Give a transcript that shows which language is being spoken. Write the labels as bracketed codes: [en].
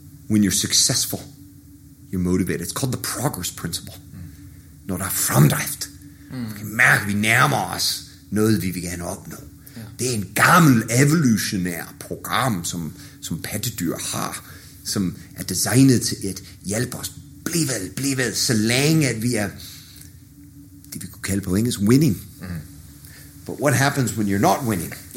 [en] When you're successful, you're motivated. It's called the progress principle. [da] Når der er fremdrift, vi kan mærke, at vi nærmer os noget, vi vil gerne opnå. Ja. Det er en gammel evolutionær program, som pattedyr har, som er designet til at hjælpe os. Bliv ved, så længe at vi er, det vi kunne kalde på engelsk, winning. [en] But what happens when you're not winning?